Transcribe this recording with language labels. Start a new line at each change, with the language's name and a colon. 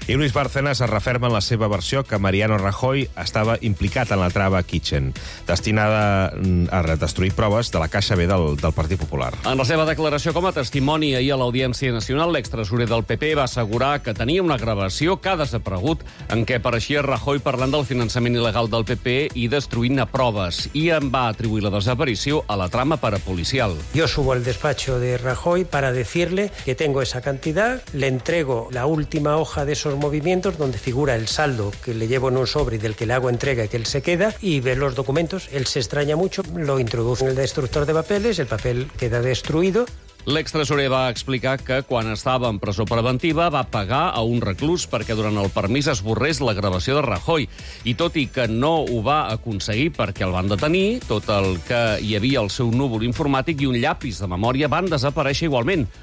Catalan: I Luis Bárcenas es referma en la seva versió que Mariano Rajoy estava implicat en la trava Kitchen, destinada a destruir proves de la Caixa B del Partit Popular. En la seva declaració com a testimoni ahir a l'Audiència Nacional, l'extresorer del PP va assegurar que tenia una gravació que ha desaparegut en què per així Rajoy parlant del finançament il·legal del PP i destruint-ne proves, i en va atribuir la desaparició a la trama parapolicial.
Spanish: Yo subo al despacho de Rajoy para decirle que tengo esa cantidad, le entrego la última hoja de esos movimientos donde figura el saldo que le llevo en un sobre y del que le hago entrega y que él se queda, y ve los documentos, él se extraña mucho, lo introduce en el destructor de papeles, el papel queda destruido.
Catalan: L'extresorer va explicar que, quan estava en presó preventiva, va pagar a un reclús perquè durant el permís esborrés la gravació de Rajoy. I tot i que no ho va aconseguir perquè el van detenir, tot el que hi havia al seu núvol informàtic i un llapis de memòria van desaparèixer igualment.